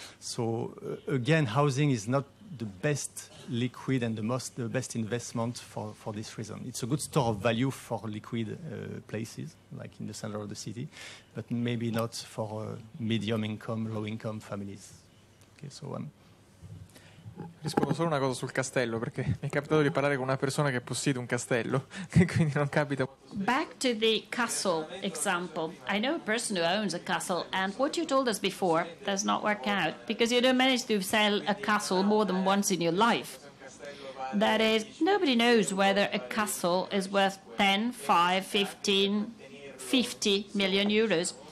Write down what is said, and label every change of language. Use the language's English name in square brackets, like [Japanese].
[English] So again, housing is not the best liquid and the best investment for this reason. It's a good store of value for liquid places, like in the center of the city, but maybe not for medium income, low income families. Okay, so [Italian] rispondo solo una cosa sul castello, perché mi è capitato di parlare con una persona che possiede un castello, quindi non capita. [English] Back to the castle example. I know a person who owns a castle, and what you told us before does not work out, because you don't manage to sell a castle more than once in your life. That is, nobody knows whether a castle is worth 10, 5, 15, 50 million euros.